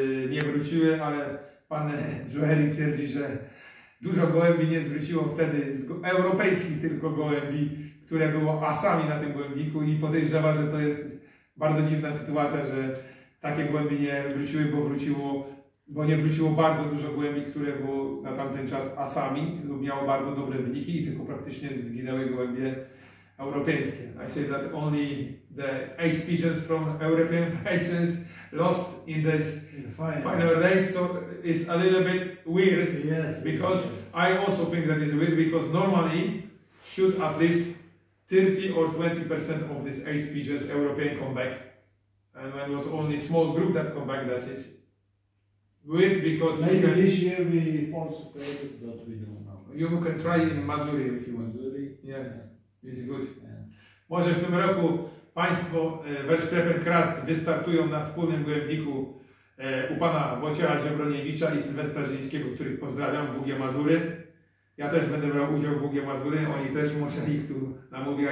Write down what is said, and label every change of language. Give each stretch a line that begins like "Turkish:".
Polish: nie wróciły, ale pan Joeri twierdzi, że dużo gołębi nie zwróciło wtedy, z europejskich tylko gołębi, które było asami na tym gołębniku i podejrzewa, że to jest bardzo dziwna sytuacja, że takie gołębi nie wróciły, bo nie wróciło bardzo dużo gołębi, które było na tamten czas asami lub miało bardzo dobre wyniki i tylko praktycznie zginęły gołębie europejskie.
English: I say that only the ace pigeons from European races lost in this final race, so it's a little bit weird. Yes, because I also think that is weird, because normally should at least 30 or 20% of this ace pigeons European come back. And when it was only small group that come back, that is with because maybe this year we participated, but we don't know. You can try in Mazury if you want. Mazury? Yeah, it's good. Yeah.
Polish: Może w tym roku Państwo Verstappen Kras wystartują na wspólnym gołębniku u pana Wojciecha Ziemroniewicza i Sylwestra Żyńskiego, których pozdrawiam, w WG Mazury. Ja też będę brał udział w WG Mazury, oni też muszą ich tu namówić.